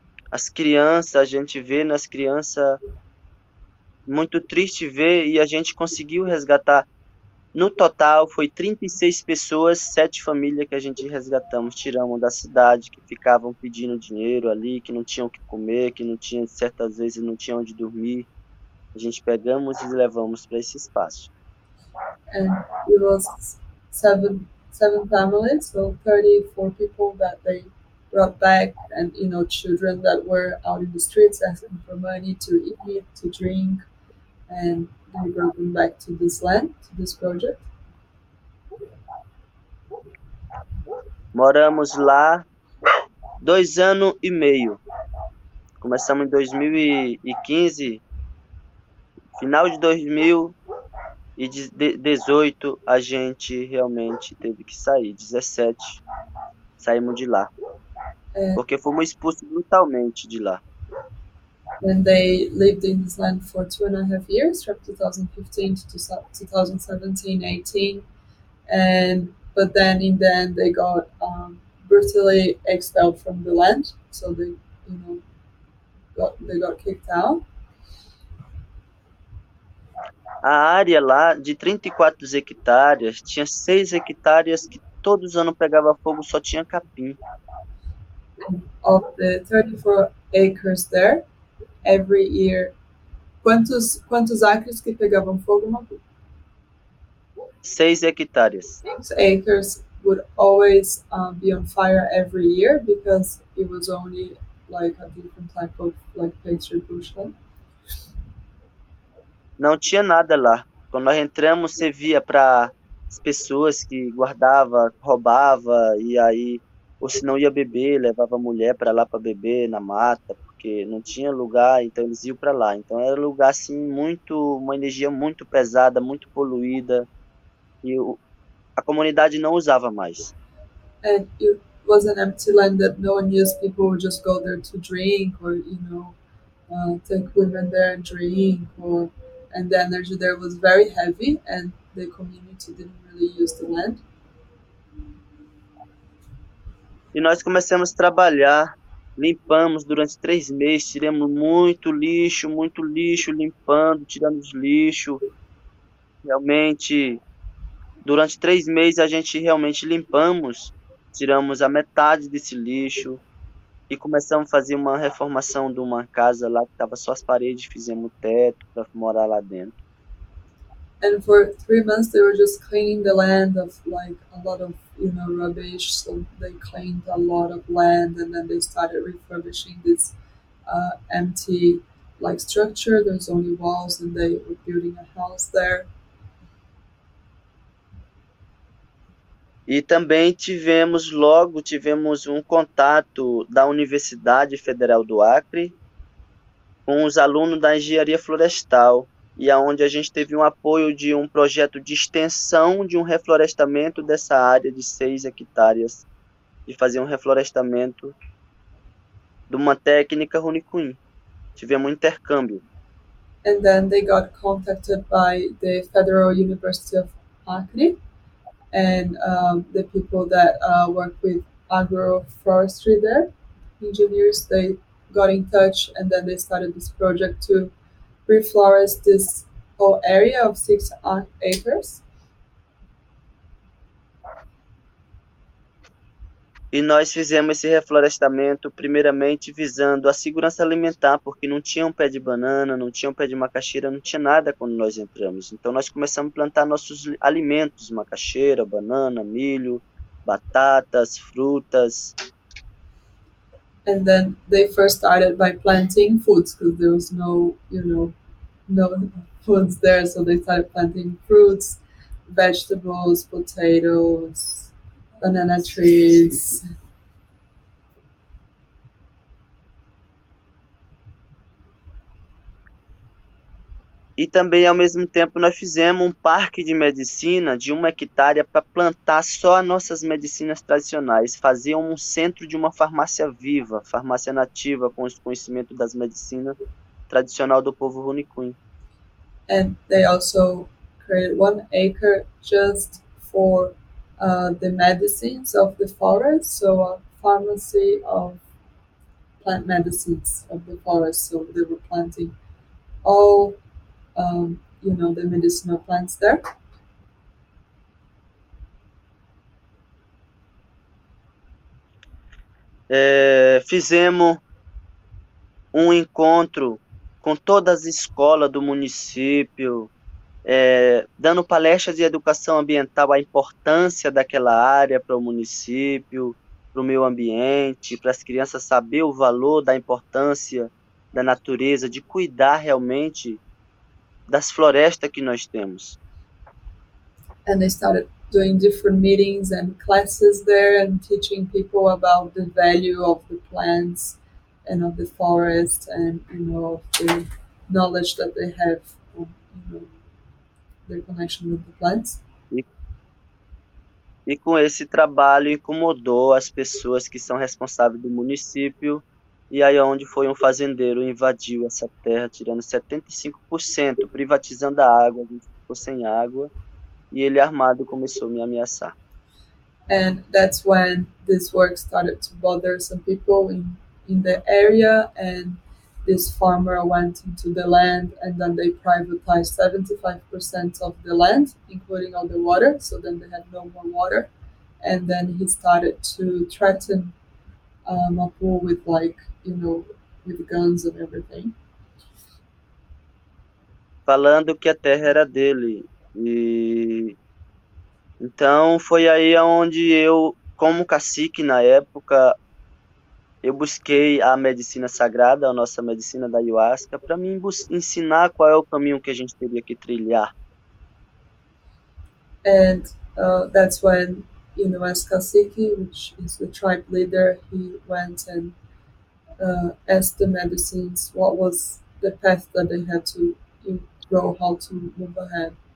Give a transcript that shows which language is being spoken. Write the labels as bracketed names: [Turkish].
[Portuguese] As crianças, a gente vê nas crianças muito triste ver, e a gente conseguiu resgatar. No total, foi 36 pessoas, 7 famílias que a gente resgatamos, tiramos da cidade, que ficavam pedindo dinheiro ali, que não tinham o que comer, que não tinha, certas vezes não tinham onde dormir. A gente pegamos e levamos para esse espaço. [English] And we lost seven families, so 34 people that they brought back, and you know, children that were out in the streets asking for money to eat, to drink, and we brought them back to this land, to this project. [Portuguese] Moramos lá 2 anos e meio. Começamos em 2015, final de 2018 a gente realmente teve que sair. 17 saímos de lá, porque fomos expulsos brutalmente de lá. [English] When they lived in this land for 2.5 years, from 2015 to 2017, 18, and but then in the end they got brutally expelled from the land, so they, you know, they got kicked out. [Portuguese] A área lá de 34 hectares tinha 6 hectares que todos os anos pegava fogo, só tinha capim. [English] Of the 34 acres there, every year, [Portuguese] quantos acres que pegavam fogo? 6 hectares. [English] 6 acres would always be on fire every year because it was only like a different type of like pastured bushland. [Portuguese] Não tinha nada lá. Quando nós entramos, servia para as pessoas que guardava, roubava, e aí, ou se não ia beber, levava a mulher para lá para beber na mata, porque não tinha lugar, então eles iam para lá. Então era lugar assim muito, uma energia muito pesada, muito poluída, e a comunidade não usava mais. [English] And it was an empty land that no one used. People would just go there to drink, or you know, take women there and drink. Or and the energy there was very heavy, and the community didn't really use the land. [Portuguese] E nós começamos a trabalhar, limpamos durante 3 meses, tiramos muito lixo, limpando, tirando os lixo. Realmente, durante 3 meses a gente realmente limpamos, tiramos a metade desse lixo e começamos a fazer uma reformação de uma casa lá que tava só as paredes, fizemos teto para morar lá dentro. [English] And for 3 months they were just cleaning the land of like a lot of, you know, rubbish. So they cleaned a lot of land, and then they started refurbishing this empty like structure. There's only walls, and they were building a house there. [Portuguese] E também tivemos logo tivemos um contato da Universidade Federal do Acre com os alunos da Engenharia Florestal, e aonde a gente teve um apoio de um projeto de extensão de um reflorestamento dessa área de 6 hectares, e fazer um reflorestamento de uma técnica runicuim. Tivemos um intercâmbio. [English] And then they got contacted by the Federal University of Acre and the people that work with agroforestry there, engineers. They got in touch, and then they started this project to reforest this whole area of 6 acres. [Portuguese] E nós fizemos esse reflorestamento primeiramente visando a segurança alimentar, porque não tinha um pé de banana, não tinha um pé de macaxeira, não tinha nada quando nós entramos. Então nós começamos a plantar nossos alimentos: macaxeira, banana, milho, batatas, frutas. [English] And then they first started by planting foods because there was no, you know, no foods there. So they started planting fruits, vegetables, potatoes, banana trees. [Portuguese] E também, ao mesmo tempo, nós fizemos um parque de medicina de 1 hectare para plantar só as nossas medicinas tradicionais. Fazia um centro de uma farmácia viva, farmácia nativa, com o conhecimento das medicinas tradicionais do povo Runicuin. [English] And they also create 1 acre just for the medicines of the forest, so a pharmacy of plant medicines of the forest. So they were planting all, the medicinal plants there. [Portuguese] Fizemos um encontro com todas as escolas do município, dando palestras de educação ambiental, a importância daquela área para o município, para o meio ambiente, para as crianças saber o valor da importância da natureza, de cuidar realmente das florestas que nós temos. [English] And they started doing different meetings and classes there and teaching people about the value of the plants and of the forest and of the knowledge that they have of, their connection with the plants. [Portuguese] E com esse trabalho incomodou as pessoas que são responsáveis do município, e aí onde foi um fazendeiro invadiu essa terra, tirando 75%, privatizando a água, a gente ficou sem água, e ele armado começou a me ameaçar. [English] And that's when this work started to bother some people in the area. And this farmer went into the land, and then they privatized 75% of the land, including all the water. So then they had no more water. And then he started to threaten Mapu with, with guns and everything. [Portuguese] Falando que a terra era dele. E então foi aí onde eu, como cacique na época, eu busquei a medicina sagrada, a nossa medicina da Ayahuasca, para me ensinar qual é o caminho que a gente teria que trilhar. [English] And that's when, as cacique, which is the tribe leader, he went and asked the medicines what was the path that they had to go, how to move ahead.